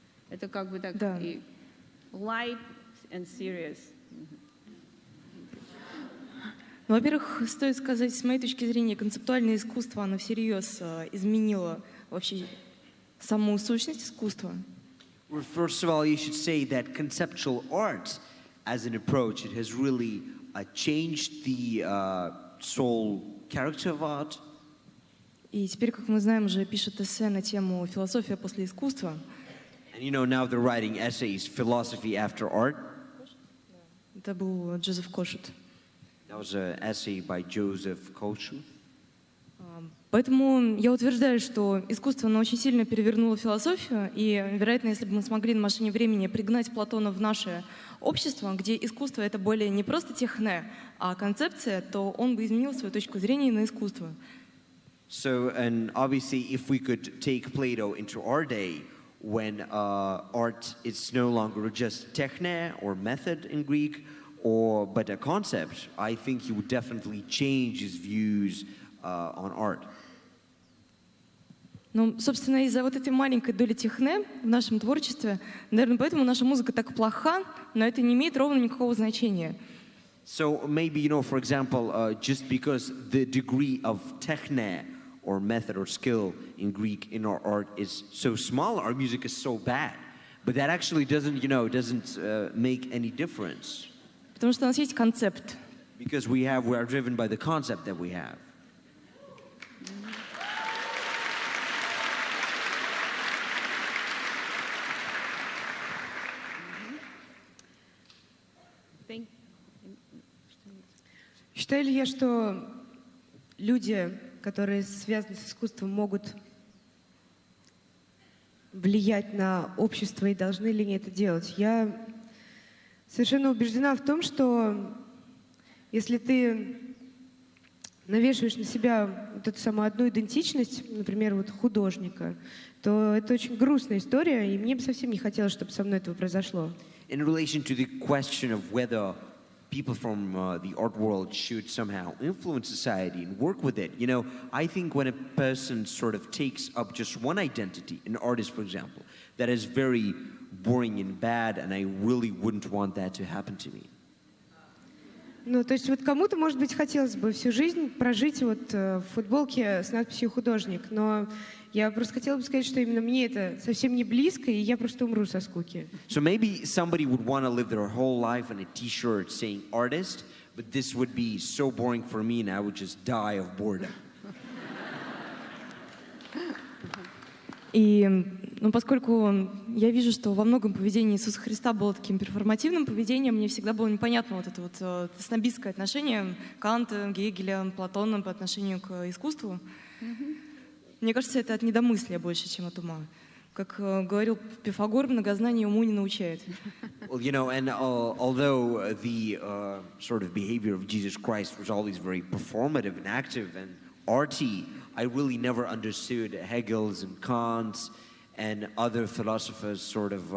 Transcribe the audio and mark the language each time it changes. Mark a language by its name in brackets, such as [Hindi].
[Russian] Это как бы так... Да. И [English] light and serious. [Russian] Ну, во-первых, стоит сказать, с моей точки зрения, концептуальное искусство, оно всерьез изменило вообще саму сущность искусства. [English] Well, first of all, you should say that conceptual art as an approach, it has really changed the soul character of art. [Russian] И теперь, как мы знаем, уже пишет эссе на тему «Философия после искусства». [English] And you know, now they're writing essays, «Philosophy after art». [Russian] Это был Джозеф Кошут. [English] That was an essay by Joseph Kosher. [Russian] Поэтому я утверждаю, что искусство, оно очень сильно перевернуло философию, и, вероятно, если бы мы смогли на машине времени пригнать Платона в наше общество, где искусство — это более не просто техне, а концепция, то он бы изменил свою точку зрения на искусство. [English] So, and obviously, if we could take Plato into our day, when art is no longer just techne or method in Greek, but a concept, I think he would definitely change his views on art. [Russian] Ну, собственно, из-за вот этой маленькой доли техне в нашем творчестве, наверное, поэтому наша музыка так плоха, но это не имеет ровно никакого значения. [English] So maybe, you know, for example, just because the degree of techne or method or skill in Greek in our art is so small, our music is so bad. But that actually doesn't, you know, doesn't make any difference. [Russian] Потому что у нас есть концепт. [English] Because we are driven by the concept that we have. [Russian] Считаю ли я, что люди, которые связаны с искусством, могут влиять на общество и должны ли они это делать? Я совершенно убеждена в том, что если ты навешиваешь на себя вот эту самую одну идентичность, например, вот художника, то это очень грустная история, и мне бы совсем не хотелось, чтобы со мной этого произошло. [English] In relation to the question of whether people from the art world should somehow influence society and work with it. You know, I think when a person sort of takes up just one identity, an artist, for example, that is very boring and bad, and I really wouldn't want that to happen to me. [Russian] Ну, то есть вот кому-то, может быть, хотелось бы всю жизнь прожить вот в футболке с надписью «художник», но я просто хотела бы сказать, что именно мне это совсем не близко, и я просто умру со скуки. [English] So maybe somebody would want to live their whole life in a t-shirt saying «artist», but this would be so boring for me, and I would just die of boredom. [Russian] И, ну, поскольку я вижу, что во многом поведение Иисуса Христа было таким перформативным поведением, мне всегда было непонятно вот это вот снобистское отношение Канта, Гегеля, Платона по отношению к искусству. Mm-hmm. Мне кажется, это от недомыслия больше, чем от ума. Как говорил Пифагор, многознание уму не научает. [English] Well, you know, and although the sort of behavior of Jesus Christ was always very performative and active and arty, I really never understood Hegel's and Kant's and other philosophers' sort of...